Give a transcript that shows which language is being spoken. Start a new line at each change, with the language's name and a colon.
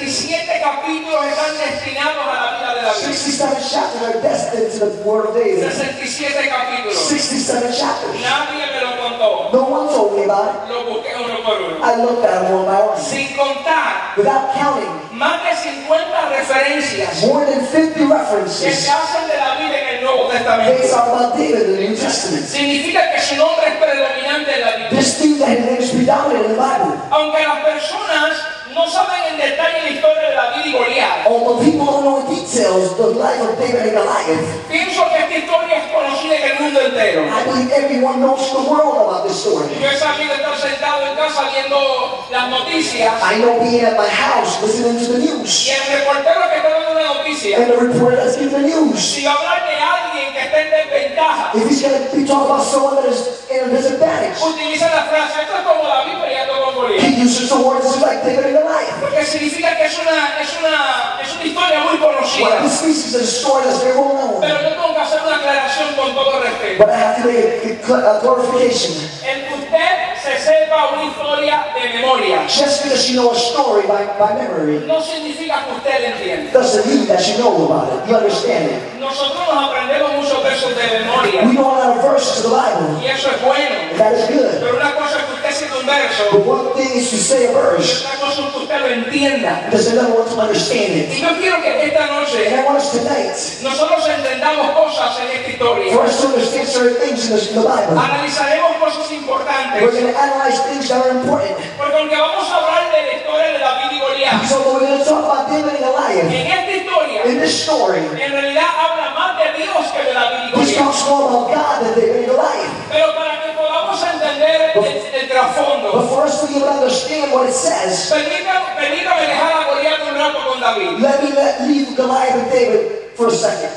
Spanish: 67 capítulos están destinados a la vida de David.
English: 67 chapters are destined to the word of David.
Spanish: 67 capítulos.
English: 67 chapters.
Spanish: Nadie me lo contó.
English: No one told me about it.
Spanish: Lo busqué uno por uno.
English: I looked at them one by one.
Spanish: Sin contar.
English: Without counting.
Spanish: Más de 50 referencias.
English: More than 50 references.
Spanish: Que se hacen de David en el Nuevo Testamento.
English: They talk about David in the New Testament.
Spanish: Significa que su nombre es predominante en la Biblia.
English: This thing that his name is predominant in the Bible.
Spanish: Aunque las personas no saben en detalle la historia de David y Goliath.
English: Although people don't know in details the life of David and Goliath.
Spanish: Pienso que esta historia es conocida en el mundo entero.
English: I believe everyone knows the world about this story.
Spanish: Yo he sabido estar sentado en casa viendo las noticias.
English: I know being at my house listening to the news.
Spanish: Y el reportero que está dando la noticia.
English: And the reporter that's giving the news.
Spanish: Si hablar de alguien que está en desventaja.
English: If he's going to be talking about someone that is in a disadvantage.
Spanish: Utiliza la frase, esto es como David peleando con Goliath.
English: He uses the words like David.
Spanish: Porque significa que es una historia muy conocida.
English: Well, this means it's a story that's very well known.
Spanish: Pero yo tengo que hacer una aclaración con todo respeto.
English: But I have to make a clarification.
Spanish: El que usted se sepa una historia de memoria.
English: Just because you know a story by memory.
Spanish: No significa que usted entiende.
English: Doesn't mean that you know about it. You understand it.
Spanish: Nosotros nos aprendemos muchos versos de memoria.
English: We know a lot of verses of the Bible.
Spanish: Y eso es bueno.
English: And that is good.
Spanish: Pero una cosa es que usted sepa un verso.
English: But one thing is to say a verse. Because there's another one to understand it.
Spanish: Y yo quiero que esta noche,
English: and I want us tonight
Spanish: nosotros entendamos cosas en esta historia.
English: For us to understand certain things in the Bible.
Spanish: Analizaremos cosas importantes.
English: We're going to analyze things that are important.
Spanish: Porque aunque vamos a hablar de la historia de David y Goliath,
English: so we're going to talk about David and Goliath.
Spanish: En esta historia,
English: in this story,
Spanish: en realidad habla más de Dios que de David y Goliath.
English: This talks more about God than David and Goliath.
Spanish: Pero para que podamos entender el trasfondo.
English: Before us to be able to understand what it says. Let me leave Goliath and David for a second.